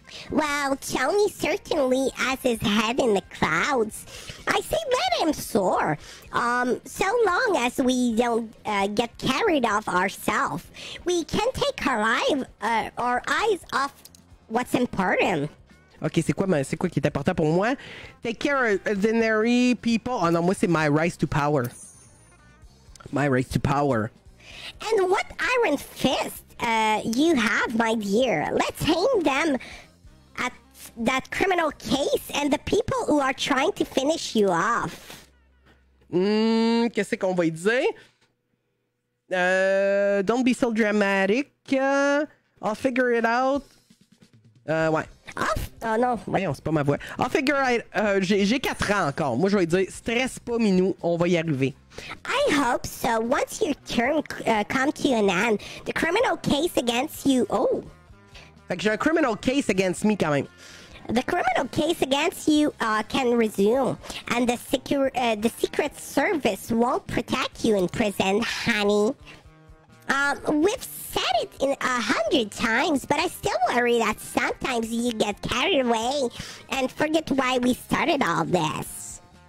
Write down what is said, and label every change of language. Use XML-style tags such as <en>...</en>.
<en>Well, Tony certainly has his head in the clouds. I say let him soar. So long as we don't get carried off ourselves, we can't take our eyes off what's important.</en> <fr>Ok, c'est quoi qui est important pour moi?</fr> <en>Take care of ordinary people.</en> <fr>Oh non, moi c'est</fr> <en>my rise to power. My rise to power. And what iron fist you have, my dear? Let's aim them at that criminal case and the people who are trying to finish you off.</en> <fr>Qu'est-ce qu'on va dire?</fr> <en>Don't be so dramatic. I'll figure it out. Ouais.</en> <fr>Oh non. Voyons, c'est pas ma voix.</fr> <en>I'll figure it out.</en> <fr>J'ai 4 ans encore. Moi, je vais dire, stresse pas, Minou. On va y arriver.</fr> <en>I hope so. Once your term comes to an end, the criminal case against you... Oh.</en> <fr>Fait que j'ai un</fr> <en>criminal case against me</en> <fr>quand même.</fr> <en>The criminal case against you can resume. And the Secret Service won't protect you in prison, honey. We've said it 100 times, but I still worry that sometimes you get carried away and forget why we started all this.</en>